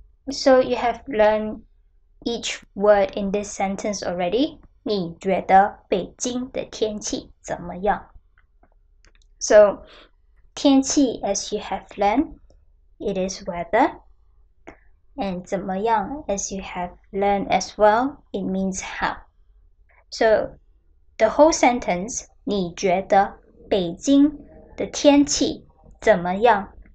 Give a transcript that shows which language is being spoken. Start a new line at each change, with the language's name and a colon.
English: So you have learned each word in this sentence already.
Chinese: 你觉得北京的天气怎么样?
English: So, 天气, as you have learned, it is weather. And 怎么样, as you have learned as well, it means how. So, the whole sentence,
Chinese: 你觉得北京的天气怎么样?